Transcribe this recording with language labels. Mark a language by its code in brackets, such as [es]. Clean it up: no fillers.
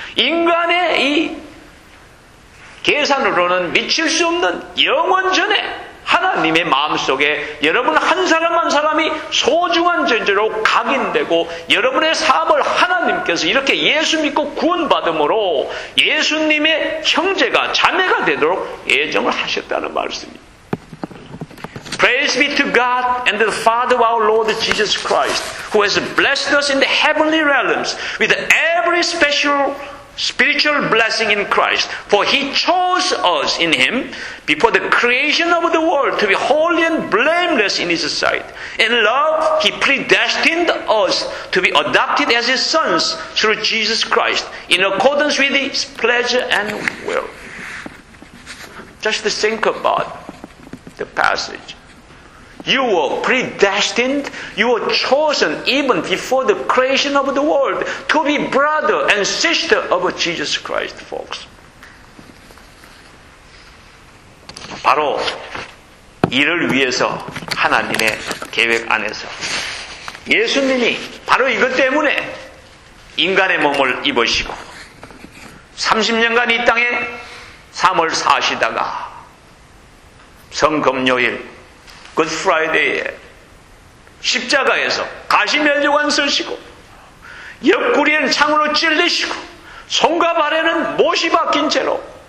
[ko] 인간의 이 계산으로는 미칠 수 없는 영원 전에 하나님의 마음속에 여러분 한 사람 한 사람이 소중한 존재로 각인되고 여러분의 삶을 하나님께서 이렇게 예수 믿고 구원받음으로 예수님의 형제가 자매가 되도록 애정을 하셨다는 말씀입니다. [en] Praise be to God and the Father of our Lord Jesus Christ who has blessed us in the heavenly realms with every special spiritual blessing in Christ, for He chose us in Him before the creation of the world to be holy and blameless in His sight. In love, He predestined us to be adopted as His sons through Jesus Christ in accordance with His pleasure and will. Just think about the passage. You were predestined, you were chosen even before the creation of the world to be brother and sister of Jesus Christ, folks. [ko] 바로 이를 위해서 하나님의 계획 안에서 예수님이 바로 이것 때문에 인간의 몸을 입으시고 30년간 이 땅에 삶을 사시다가 성금요일 Good Friday에 십자가에서 가시 면류관 쓰시고 옆구리에는 창으로 찔리시고 손과 발에는 못이 박힌 채로